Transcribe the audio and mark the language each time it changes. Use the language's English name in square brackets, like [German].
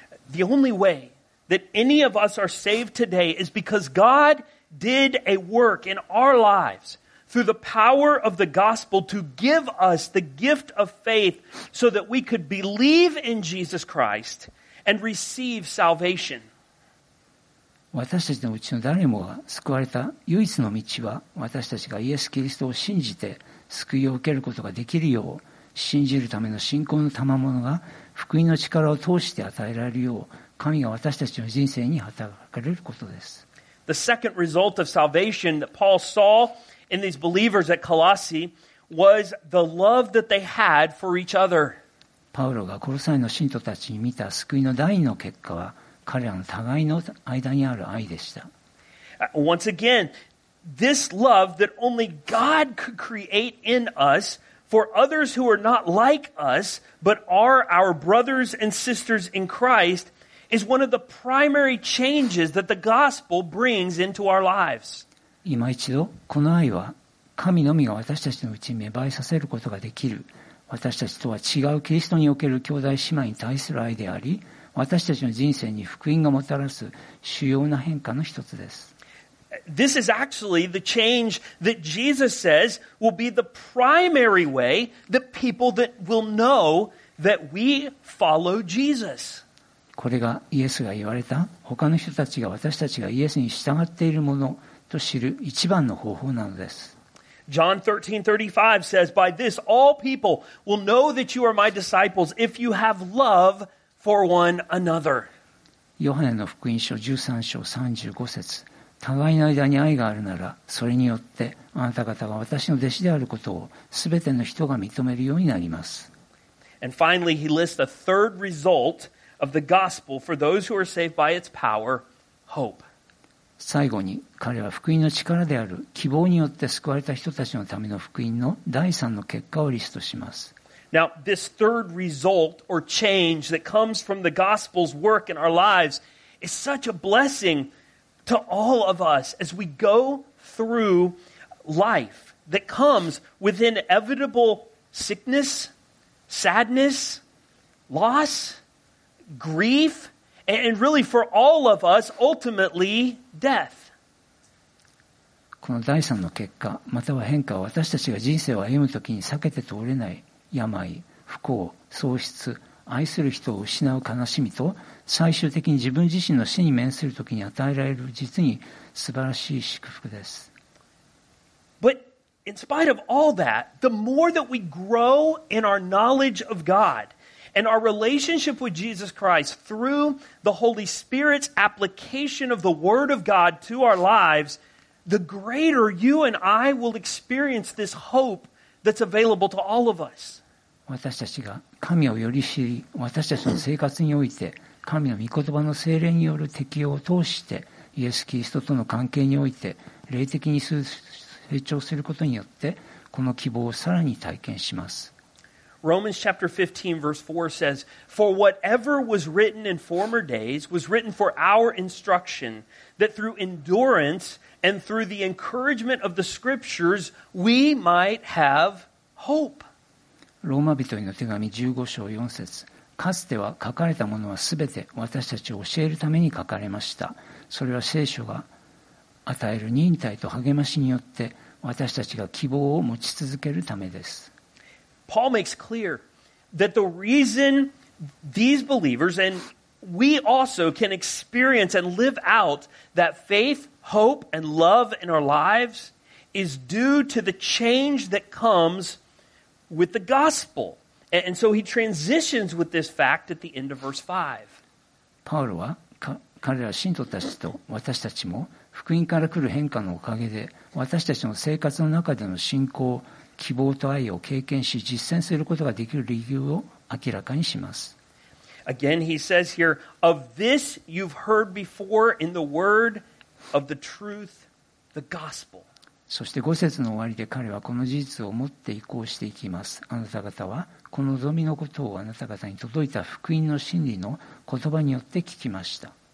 [English] The only way that any of us are saved today is because God did a work in our lives through the power of the gospel to give us the gift of faith so that we could believe in Jesus Christ and receive salvation. [Japanese] 私たちのうちの誰もが救われた唯一の道は私たちがイエス・キリストを信じて救いを受けることができるよう信じるための信仰の賜物が福音の力を通して与えられるよう神が私たちの人生に働かれることです。 [English] The second result of salvation that Paul saw in these believers at Colossae was the love that they had for each other. [Japanese] パウロがコロサイの信徒たちに見た救いの第二の結果は彼らの互いの間にある愛でした。 [English] Once again, this love that only God could create in us for others who are not like us, but are our brothers and sisters in Christ, is one of the primary changes that the gospel brings into our lives. [Japanese] 今一度、この愛は神のみが私たちのうちに芽生えさせることができる、私たちとは違うキリストにおける兄弟姉妹に対する愛であり、私たちの人生に福音がもたらす主要な変化の一つです。 [English] This is actually the change that Jesus says will be the primary way that people that will know that we follow Jesus. [Japanese] これがイエスが言われた他の人たちが私たちがイエスに従っているものと知る一番の方法なのです。 [English] John 13:35 says, By this all people will know that you are my disciples if you have love for one another. [Japanese] ヨハネの福音書13章35節互いの間に愛があるなら、それによってあなた方が私の弟子であることをすべての人が認めるようになります。 [English] And finally, he lists a third result of the gospel for those who are saved by its power, hope. [Japanese] 最後に彼は福音の力である希望によって救われた人たちのための福音の第三の結果をリストします。 [English] Now, this third result or change that comes from the gospel's work in our lives is such a blessing. To all of us, as we go through life that comes with inevitable sickness, sadness, loss, grief, and really for all of us, ultimately, death. [Japanese] この第三の結果、または変化は私たちが人生を歩むときに避けて通れない病、不幸、喪失、愛する人を失う悲しみと最終的に自分自身の死に面するときに与えられる実に素晴らしい祝福です。 [English] But in spite of all that, the more that we grow in our knowledge of God and our relationship with Jesus Christ through the Holy Spirit's application of the Word of God to our lives, the greater you and I will experience this hope that's available to all of us. [Japanese] 私たちが神をより知り、私たちの生活において、神の御言葉の聖霊による適用を通して、イエス・キリストとの関係において霊的に成長することによってこの希望をさらに体験します。 [English] Romans chapter 15 verse 4 says, For whatever was written in former days was written for our instruction, that through endurance and through the encouragement of the scriptures, we might have hope. [Japanese] ローマ人への手紙15章4節、かつては書かれたものはすべて私たちを教えるために書かれました。それは聖書が与える忍耐と励ましによって私たちが希望を持ち続けるためです。 [English] Paul makes clear that the reason these believers and we also can experience and live out that faith, hope, and love in our lives is due to the change that comes with the gospel. And so he transitions with this fact at the end of verse 5. [Japanese] Paul は彼ら信徒たちと私たちも福音から来る変化のおかげで私たちの生活の中での信仰希望と愛を経験し実践することができる理由を明らかにします。 [English] Again, he says here, of this you've heard before in the word of the truth, the gospel. [Japanese] そして5節の終わりで彼はこの事実を持って移行していきます。あなた方はこの望みのことをあなた方に届いた福音の真理の言葉によって聞きました。